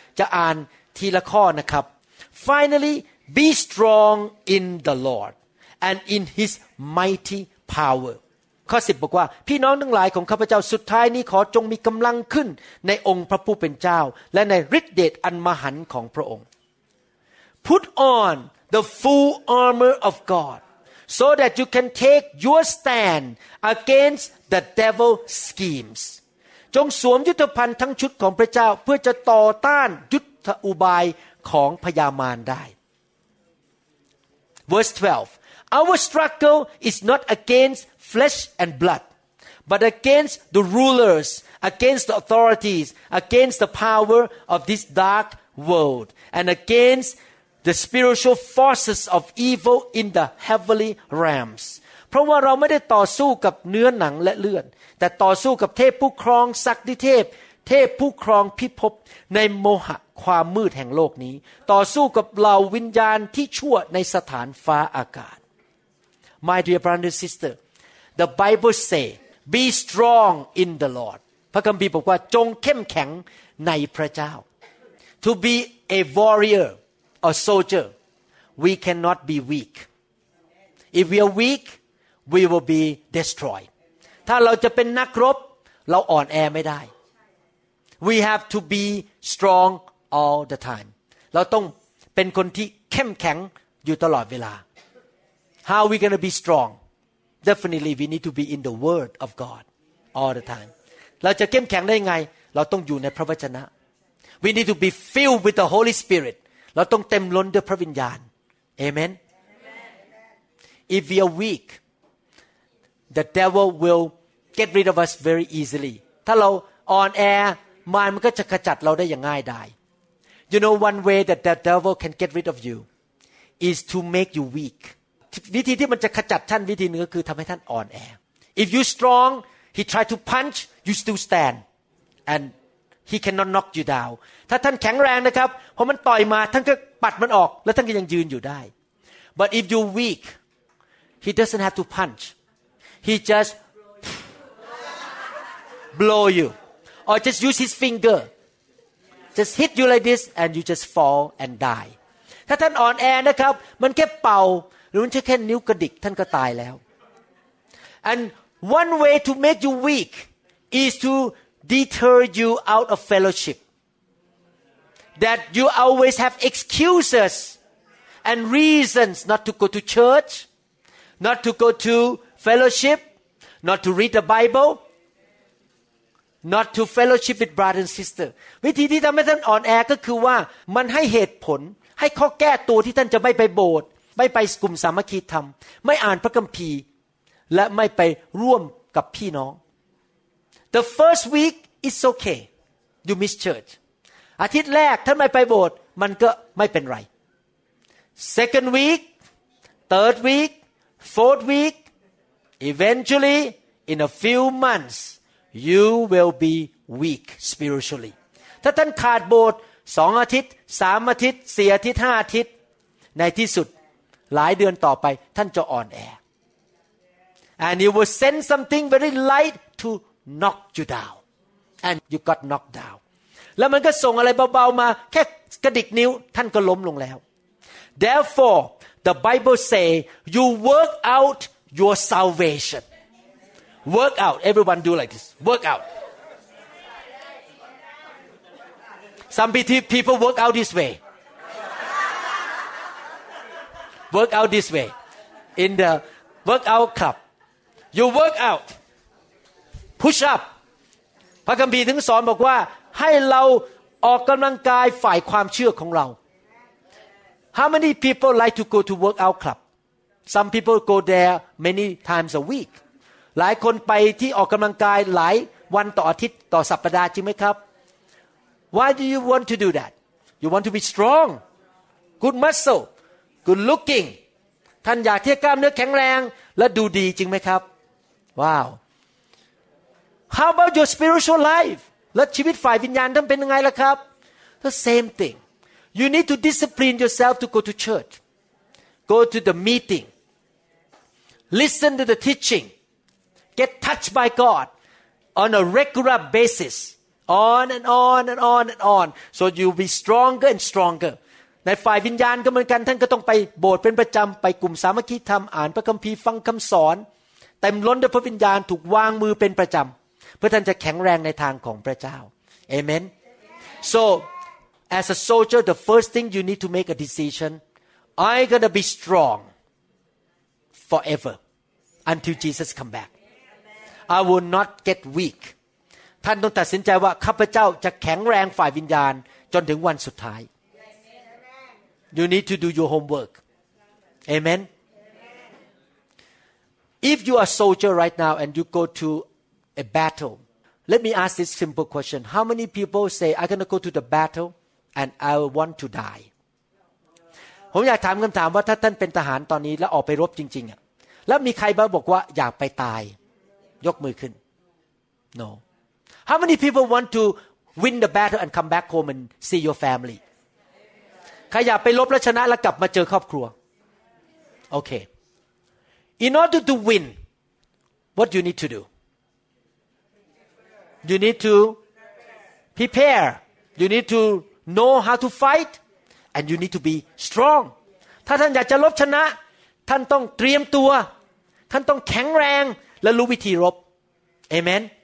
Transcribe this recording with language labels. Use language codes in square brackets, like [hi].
[th] จะอ่านทีละข้อนะครับ [en] Finally, be strong in the Lord and in His mighty power. [th] ข้อ10บอกว่าพี่น้องทั้งหลายของข้าพเจ้าสุดท้ายนี้ขอจงมีกำลังขึ้นในองค์พระผู้เป็นเจ้าและในฤทธิ์เดชอันมหันต์ของพระองค์ [en] Put on the full armor of God so that you can take your stand against the devil's schemes. [th] จงสวมยุทธภัณฑ์ทั้งชุดของพระเจ้าเพื่อจะต่อต้านยุทธอุบายของพยามารได้ [en] Verse 12. Our struggle is not against flesh and bloodBut against the rulers, against the authorities, against the power of this dark world, and against the spiritual forces of evil in the heavenly realms. [th] เพราะว่าเราไม่ได้ต่อสู้กับเนื้อหนังและเลือดแต่ต่อสู้กับเทพผู้ครองศักดิ์เทพเทพผู้ครองพิภพในโมหะความมืดแห่งโลกนี้ต่อสู้กับเหล่าวิญญาณที่ชั่วในสถานฟ้าอากาศ [en] My dear brother and sister, the Bible says,Be strong in the Lord. [th] พระคัมภีร์บอกว่าจงเข้มแข็งในพระเจ้า [en] To be a warrior, a soldier, we cannot be weak. If we are weak, we will be destroyed. [th] ถ้าเราจะเป็นนักรบเราอ่อนแอไม่ได้ [en] We have to be strong all the time. [th] เราต้องเป็นคนที่เข้มแข็งอยู่ตลอดเวลา [en] How are we going to be strong? Definitely, we need to be in the Word of God all the time. [th] เราจะเข้มแข็งได้ยังไงเราต้องอยู่ในพระวจนะ [en] We need to be filled with the Holy Spirit. [th] เราต้องเต็มล้นด้วยพระวิญญาณ [en] Amen. If we are weak, the devil will get rid of us very easily. [th] ถ้าเราอ่อนแอมารมันก็จะขจัดเราได้อย่างง่ายดาย [en] You know one way that the devil can get rid of you is to make you weak. [th] วิธีที่มันจะขจัดท่านวิธีนึงก็คือทำให้ท่านอ่อนแ [en] อ If you strong he try to punch you still stand and he cannot knock you down [th] ถ้าท่านแข็งแรงนะครับพอมันต่อยมาท่านก็ปัดมันออกแล้วท่านก็ยังยืนอยู่ได้ [en] But if you weak he doesn't have to punch he just blow you or just use his finger just hit you like this and you just fall and die [th] ถ้าท่านอ่อนแอนะครับมันแค่เป่าหรือมันจะแค่นิ้วกระดิกท่านก็ตายแล้ว [en] And one way to make you weak is to deter you out of fellowship that you always have excuses and reasons not to go to church not to go to fellowship not to read the Bible not to fellowship with brother and sister [th] วิธีที่ทำให้ท่านอ่อนแอก็คือว่ามันให้เหตุผลให้ข้อแก้ตัวที่ท่านจะไม่ไปโบสถ์ไม่ไปกลุ่มสามัคคีธรรมไม่อ่านพระคัมภีร์และไม่ไปร่วมกับพี่น้อง [en] The first week is okay you miss church [th] อาทิตย์แรกท่านไม่ไปโบสถ์มันก็ไม่เป็นไร [en] Second week third week fourth week eventually in a few months you will be weak spiritually [th] ถ้าท่านขาดโบสถ์2อาทิตย์3อาทิตย์4อาทิตย์5อาทิตย์ในที่สุดหลายเดือนต่อไปท่านจะอ่อนแ [en] อ and you will send something very light to knock you down and you got knocked down [th] แล้วมันก็ส่งอะไรเบาๆมาแค่กระดิกนิ้วท่านก็ล้มลงแล้ว [en] therefore the bible say you work out your salvation work out everyone do like this work out some people work out this wayWork out this way in the workout club. You work out, push up. [th] พระคัมภีร์ถึงสอนบอกว่าให้เราออกกำลังกายฝ่ายความเชื่อของเรา [en] How many people like to go to workout club? Some people go there many times a week. [th] หลายคนไปที่ออกกำลังกายหลายวันต่ออาทิตย์ต่อสัปดาห์จริงไหมครับ [en] Why do you want to do that? You want to be strong, good muscle. Good looking. [th] ท่านอยากที่กล้ามเนื้อแข็งแรงและดูดีจริงไหมครับ [en] ว้าว How about your spiritual life? [th] และชีวิตฝ่ายวิญญาณท่านเป็นยังไงล่ะครับ [en] The same thing. You need to discipline yourself to go to church. Go to the meeting. Listen to the teaching. Get touched by God on a regular basis. On and on and on and on. So you'll be stronger and stronger. [th] ในฝ่ายวิญญาณก็เหมือนกันท่านก็ต้องไปโบสถ์เป็นประจำไปกลุ่มสามัคคีธรรมอ่านพระคัมภีร์ฟังคำสอนเต็มล้นด้วยพระวิญญาณถูกวางมือเป็นประจำเพื่อท่านจะแข็งแรงในทางของพระเจ้าเอเมน [en] So as a soldier the first thing you need to make a decision I'm going to be strong forever until Jesus come back. I will not get weak. [th] ท่านต้องตัดสินใจว่าข้าพเจ้าจะแข็งแรงฝ่ายวิญญาณจนถึงวันสุดท้าย [en] You need to do your homework. Amen. If you are a soldier right now and you go to a battle, let me ask this simple question. How many people say, I'm going to go to the battle and I want to die? [th] ผมอยากถามคำถามว่าถ้าท่านเป็นทหารตอนนี้แล้วออกไปรบจริงๆอ่ะแล้วมีใครบ้างบอกว่าอยากไปตายยกมือขึ้น [en] No How many people want to win the battle and come back home and see your family [th] ใครอยากไปรบแล้วชนะแล้วกลับมาเจอครอบครัว Okay [en] In order to win what you need to do you need to prepare you need to know how to fightAnd you need to be strong. [th] ถ้าท่านอยากจะรบชนะท่านต้องเตรียมตัวท่านต้องแข็งแรงและรู้วิธีรบ Amen.